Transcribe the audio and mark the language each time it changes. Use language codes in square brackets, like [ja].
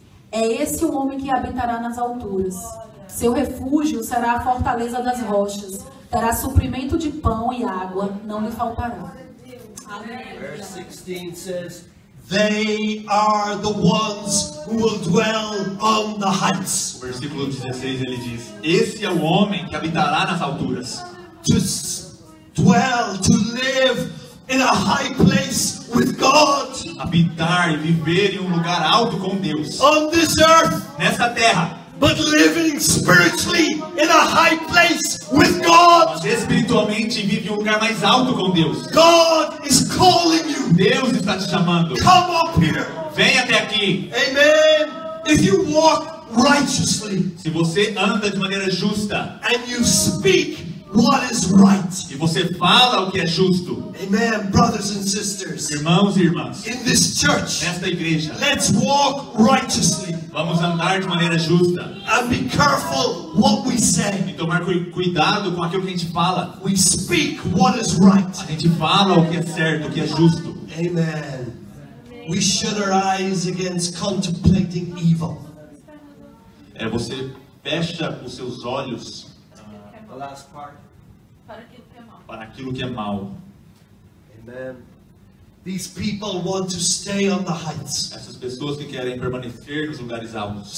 [pt] É esse o homem que habitará nas alturas. Seu refúgio será a fortaleza das rochas. Terá suprimento de pão e água, não lhe faltará. [en] Verse 16 says, they are the ones who will dwell on the heights. [pt] O versículo 16 ele diz, esse é o homem que habitará nas alturas. [en] To dwell, to live in a high place with God. [pt] Habitar e viver em lugar alto com Deus. [en] On this earth. [pt] Nessa terra. [en] But living spiritually in a high place with God. [pt] Mas espiritualmente vive em lugar mais alto com Deus. [en] God is calling you. [pt] Deus está te chamando. [en] Come up here. [pt] Vem até aqui. [en] Amen. If you walk righteously. [pt] Se você anda de maneira justa. [en] And you speak what is right. [pt] E você fala o que é justo. [en] Amen, brothers and sisters. [pt] Irmãos e irmãs. [en] In this church. [pt] Nesta igreja. [en] Let's walk righteously. [pt] Vamos andar de maneira justa. [en] And be careful what we say. [pt] E tomar cuidado com aquilo que a gente fala. [en] We speak what is right. [pt] A gente fala o que é certo, o que é justo. [en] Amen. We shut our eyes against contemplating evil. [pt] É, você fecha os seus olhos. [en] Last part. [pt] Para aquilo que é mal. [en] Amen. These people want to stay on the heights. [pt] Essas pessoas que querem permanecer nos lugares altos.